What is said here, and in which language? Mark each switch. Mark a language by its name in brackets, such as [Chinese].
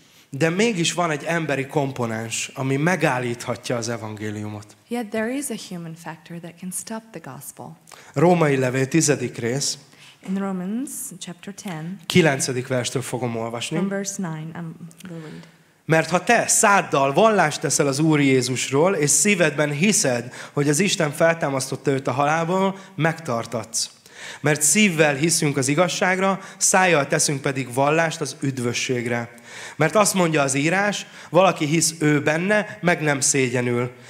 [Hungarian] De mégis van egy emberi komponens, ami megállíthatja az evangéliumot. [English] Yet there is a human factor that can stop the gospel. [Hungarian] Római levél 10. rész. [English] In Romans chapter 10. [Hungarian] 9. verstől fogom olvasni. [English] In verse 9, I'm going to read. [Hungarian] Mert ha te száddal vallást teszel az Úr Jézusról, és szívedben hiszed, hogy az Isten feltámasztotta őt a halálból, megtartatsz. Mert szívvel hiszünk az igazságra, szájjal teszünk pedig vallást az üdvösségre. Mert azt mondja az írás, valaki hisz ő benne, meg nem szégyenül.